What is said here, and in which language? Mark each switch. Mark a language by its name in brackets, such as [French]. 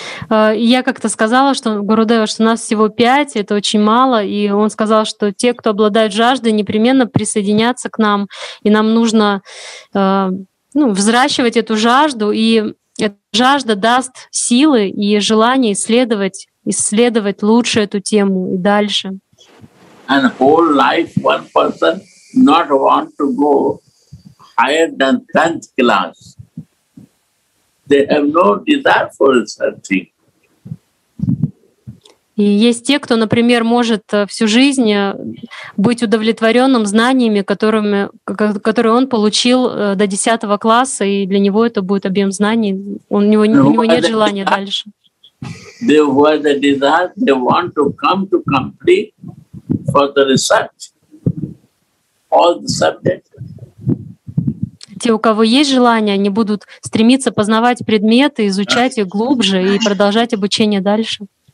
[Russian] Я как-то сказала, что Гурудева, что нас всего 5, это очень мало, и он сказал, что те, кто обладает жаждой, непременно присоединятся к нам, и нам нужно взращивать эту жажду, и эта жажда даст силы и желание исследовать лучше эту тему и дальше. [English] And whole life one person not want to go higher than 10th class. They have no desire for something. [Russian] И есть те, кто, например, может всю жизнь быть удовлетворенным знаниями, которые он получил до 10 класса, и для него это будет объем знаний. У него нет желания дальше. [English] They want to come to complete for the research all the subjects. [Russian] Те, у кого есть желание, они будут стремиться познавать предметы, изучать их глубже и продолжать обучение дальше.